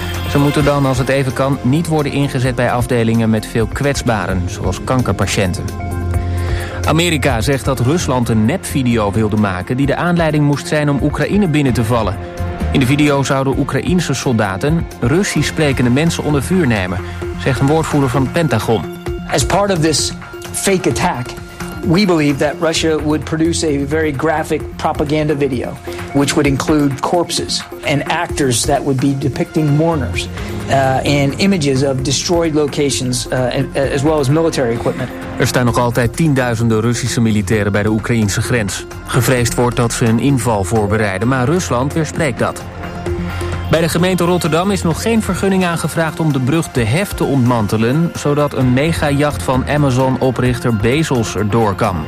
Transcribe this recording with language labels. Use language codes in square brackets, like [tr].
[nl] Ze moeten dan, als het even kan, niet worden ingezet bij afdelingen met veel kwetsbaren, zoals kankerpatiënten. Amerika zegt dat Rusland een nepvideo wilde maken die de aanleiding moest zijn om Oekraïne binnen te vallen. In de video zouden Oekraïnse soldaten Russisch sprekende mensen onder vuur nemen, zegt een woordvoerder van het Pentagon. [en] As part of this fake attack, we believe that Russia would produce a very graphic propaganda video, which would include corpses and actors that would be depicting mourners and images of destroyed locations as well as military equipment. [nl] Er staan nog altijd tienduizenden Russische militairen bij de Oekraïnse grens. Gevreesd wordt dat ze een inval voorbereiden, maar Rusland weerspreekt dat. Bij de gemeente Rotterdam is nog geen vergunning aangevraagd om de brug De Hef te ontmantelen, zodat een megajacht van Amazon-oprichter Bezos erdoor kan.